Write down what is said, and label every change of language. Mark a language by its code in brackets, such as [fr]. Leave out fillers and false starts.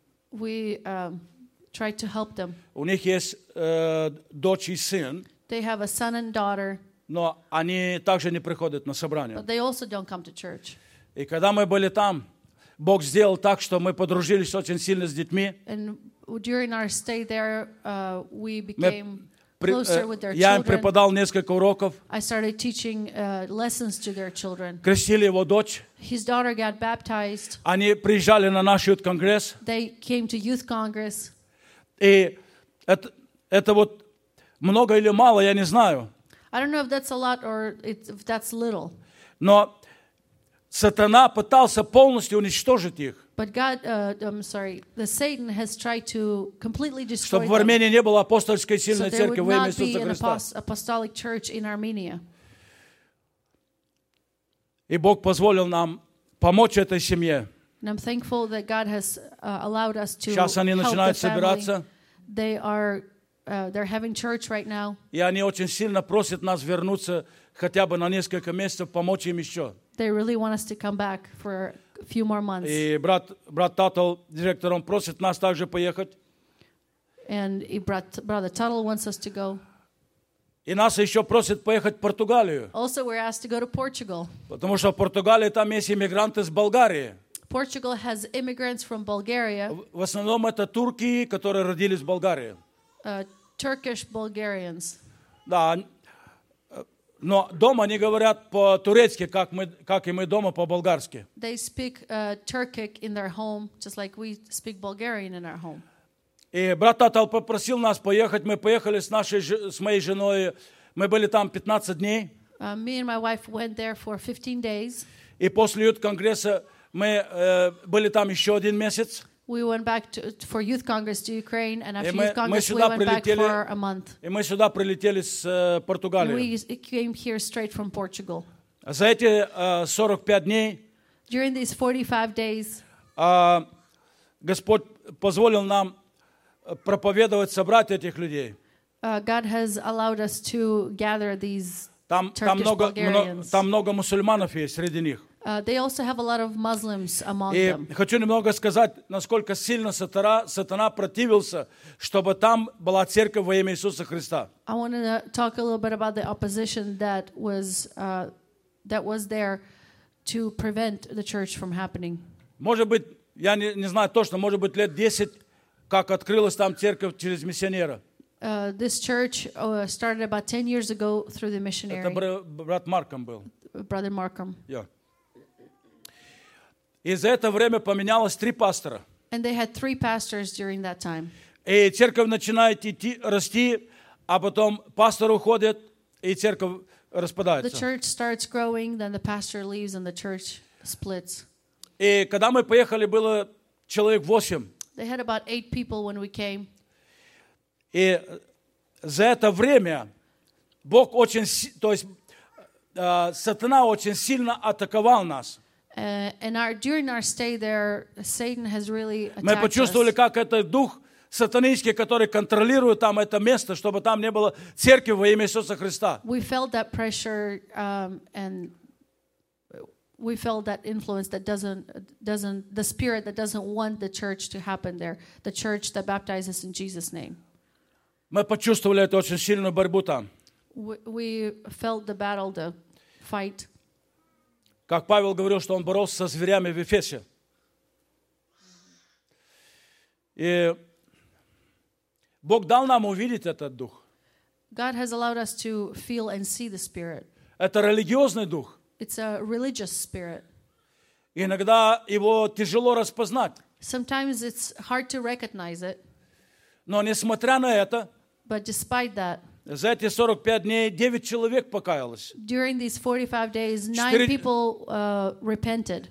[en] We tried to help them. [ru] У них есть дочь и сын. [en] They have a son and daughter. [ru] Но они также не приходят на собрание. [en] But they also don't come to church. [ru] И когда мы были там, Бог сделал так, что мы подружились очень сильно с детьми. [en] And during our stay there, we became closer with their children. [ru] Я им преподал несколько уроков. [en] I started teaching lessons to their children. [ru] Крестили его дочь. [en] His daughter got baptized. [ru] Они приезжали на наш [en] youth congress. They came to youth congress. [ru] И это вот много или мало, я не знаю. [en] I don't know if that's a lot or if that's little. [ru] Но сатана пытался полностью уничтожить их. [en] But God, I'm sorry, the Satan has tried to completely destroy [ru] чтобы [en] them. [ru] В Армении не было апостольской сильной [en] so [ru] церкви во имя Иисуса Христа. [en] So there would not be an apostolic church in Armenia. [ru] И Бог позволил нам помочь этой семье. [en] And I'm thankful that God has allowed us to [ru] сейчас они [en] help [ru] начинают [en] the family. [ru] Собираться. [en] They are, they're having church right now. [ru] И они очень сильно просят нас вернуться хотя бы на несколько месяцев, помочь им еще. [en] They really want us to come back for a few more months. [ru] И брат Татл, директор, он просит нас также поехать. [en] And brother Tuttle wants us to go. [ru] И нас еще просят поехать в Португалию. [en] Also, we're asked to go to Portugal. [ru] Потому что в Португалии там есть иммигранты из Болгарии. [en] Portugal has immigrants from Bulgaria. [ru] В основном это турки, которые родились в Болгарии. [en] Turkish Bulgarians. [ru] Да. Но дома они говорят по-турецки, как и мы дома по-болгарски. [en] They speak Turkic in their home, just like we speak Bulgarian in our home. [ru] И брат Татал попросил нас поехать. Мы поехали с моей женой. Мы были там 15 дней. [en] Me and my wife went there for 15 days. [ru] И после youth-конгресса Мы были там еще один месяц. [en] We went back to, for Youth Congress to Ukraine, and after Youth Congress, we went [ru] прилетели, [en] back for a month. [ru] И мы сюда прилетели с Португалии. [en] We came here straight from Portugal. [ru] За эти 45 дней. [en] During these 45 days. [ru] Господь позволил нам проповедовать, собрать этих людей. [en] God has allowed us to gather these [ru] там много мусульманов есть среди них. [en] They also have a lot of Muslims among [ru] и [en] them. [ru] Хочу немного сказать, насколько сильно сатана противился, чтобы там была церковь во имя Иисуса Христа. [en] I want to talk a little bit about the opposition that was there to prevent the church from happening. [ru] Может быть, я не знаю точно, может быть, лет 10, как открылась там церковь через миссионера. [en] This church started about 10 years ago through the missionary. [ru] Это брат Марком был. [en] Brother Markham. Yeah. [ru] И за это время поменялось три пастора. [en] And they had three pastors during that time. [ru] И церковь начинает идти, расти, а потом пастор уходит, и церковь распадается. [en] The church starts growing, then the pastor leaves, and the church splits. [ru] И когда мы поехали, было человек 8. [en] They had about 8 people when we came. [ru] И за это время Бог очень, то есть сатана очень сильно атаковал нас. Мы почувствовали, как этот дух сатанинский, который контролирует там это место, чтобы там не было церкви во имя Иисуса Христа. [en] We felt that pressure, and we felt that influence that doesn't the spirit that doesn't want the church to happen there, the church that baptizes in Jesus' name. [ru] Мы почувствовали эту очень сильную борьбу там. [en] We felt the battle, the fight. [ru] Как Павел говорил, что он боролся со зверями в Эфесе. И Бог дал нам увидеть этот дух. [en] God has allowed us to feel and see the spirit. [ru] Это религиозный дух. [en] It's a religious spirit. [ru] Иногда его тяжело распознать. [en] Sometimes it's hard to recognize it. [ru] Но несмотря на это, [en] but despite that, [ru] за эти 45 дней 9 человек покаялось. [en] During these 45 days, 9 people repented.